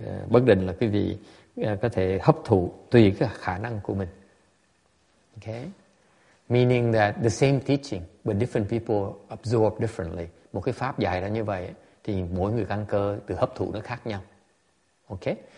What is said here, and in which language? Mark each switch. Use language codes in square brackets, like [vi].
[vi] Bất định là quý vị có thể hấp thụ tùy cái khả năng của mình. [en] Okay? Meaning that the same teaching, but different people absorb differently. [vi] Một cái pháp dạy ra như vậy, thì mỗi người căn cơ từ hấp thụ nó khác nhau. Okay?